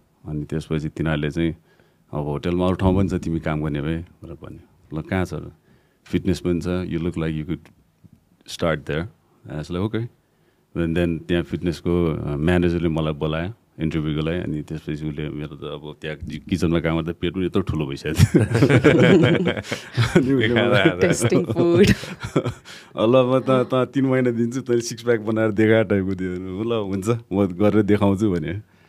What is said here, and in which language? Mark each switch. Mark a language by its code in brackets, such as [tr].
[ne] अनि त्यसपछि तिनीहरूले चाहिँ अब होटलमा अरू ठाउँ पनि छ तिमी काम गर्ने भए भनेर भन्यो. ल कहाँ छ, फिटनेस पनि छ, [en] You look like you could start there. And I was like okay. And then [ne] त्यहाँ फिटनेसको म्यानेजरले मलाई बोलायो इन्टरभ्यूकोलाई. अनि त्यसपछि उसले मेरो त अब त्यहाँ किचनमा काम गर्दा पेट पनि यत्रो ठुलो भइसक्यो, ल म त 3 महिना दिन्छु तैँले सिक्स प्याक बनाएर देखा टाइपको दियो, ल हुन्छ म गरेर देखाउँछु भने.